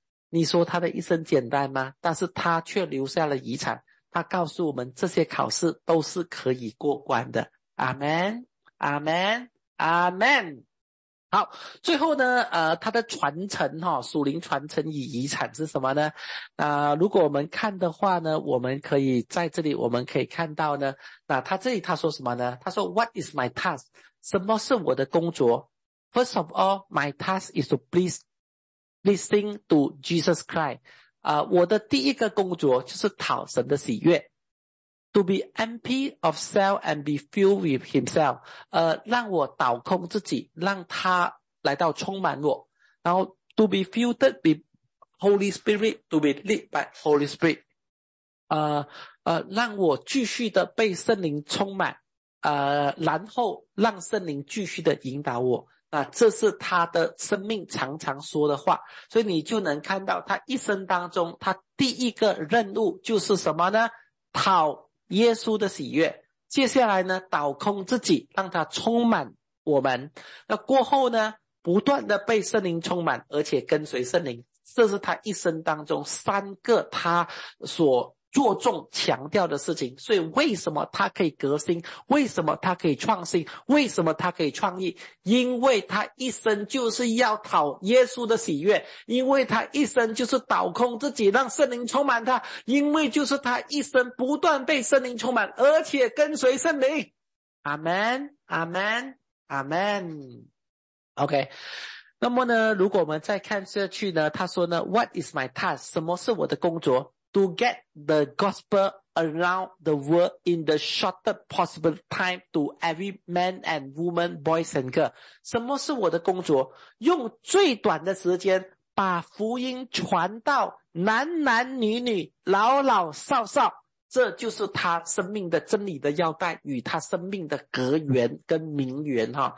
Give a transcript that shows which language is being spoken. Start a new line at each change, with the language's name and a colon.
Chinese: 你说她的一生简单吗？但是她却留下了遗产，她告诉我们这些考试都是可以过关的。阿们阿们阿们。好，最后呢他的传承齁，属灵传承与遗产是什么呢？如果我们看的话呢，我们可以在这里我们可以看到呢，他这里他说什么呢？他说
English: What is my task?
Chinese: 什么是我的工作？
English: First of all, my task is to listen to Jesus Christ.
Chinese: 我的第一个工作就是讨神的喜悦。
English: To be empty of self and be filled with himself.
Chinese: 让我倒空自己，让他来到充满我。
English: 然后 to be filled with Holy Spirit, to be led by Holy Spirit.
Chinese: 让我继续的被圣灵充满，然后让圣灵继续的引导我。那这是他的生命常常说的话。所以你就能看到他一生当中他第一个任务就是什么呢？讨耶稣的喜悦，接下来呢倒空自己，让他充满我们，那过后呢不断的被圣灵充满，而且跟随圣灵，这是他一生当中三个他所着重强调的事情。所以为什么他可以革新，为什么他可以创新，为什么他可以创意？因为他一生就是要讨耶稣的喜悦，因为他一生就是倒空自己让圣灵充满他，因为就是他一生不断被圣灵充满而且跟随圣灵。阿们阿们阿们。OK，那么呢如果我们再看下去呢，他说呢
English: What is my task?
Chinese: 什么是我的工作？
English: To get the gospel around the world in the shortest possible time to every man and woman, boys and girls.
Chinese: 什么是我的工作？用最短的时间把福音传到男男女女、老老少少。这就是他生命的真理的腰带与他生命的格缘跟名缘。